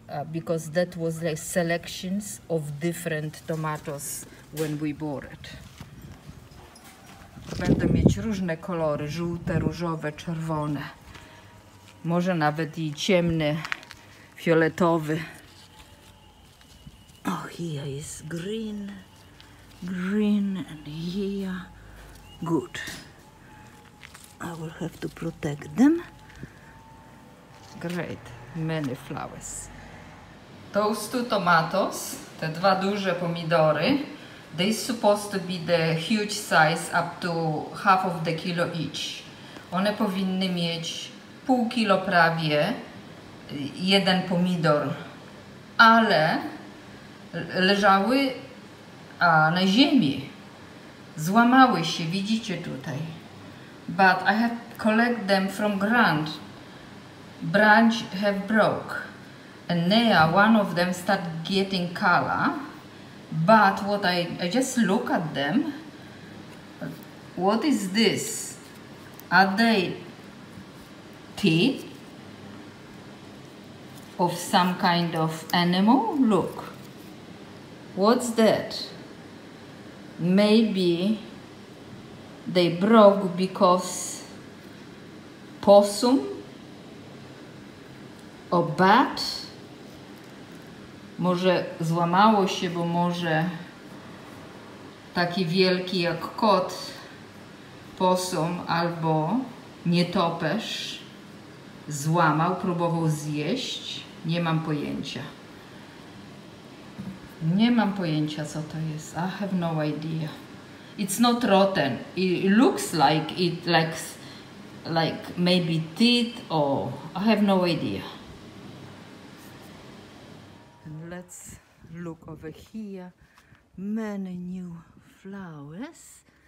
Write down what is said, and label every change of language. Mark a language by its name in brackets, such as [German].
[English] Because that was like selections of different tomatoes when we bought it. [Polish] Będą mieć różne kolory, żółte, różowe, czerwone. Może nawet i ciemny, fioletowy. [English] Oh, here is green, green, and here, good. I will have to protect them. Great, many flowers. Those two tomatoes, [Polish] te dwa duże pomidory, [English] they supposed to be the huge size, up to half of the kilo each. [Polish] One powinny mieć pół kilo prawie, jeden pomidor, ale leżały na ziemi. Złamały się, widzicie tutaj. [English] But I have collected them from ground. Branch have broke. And now one of them start getting color, but what I just look at them, what is this? Are they teeth of some kind of animal? Look, what's that? Maybe they broke because possum or bat? [Polish] Może złamało się, bo może taki wielki jak kot, posum albo nietoperz złamał, próbował zjeść. Nie mam pojęcia. Nie mam pojęcia, co to jest. [English] I have no idea. It's not rotten. It looks like it, like maybe teeth or... I have no idea. Let's look over here. Many new flowers.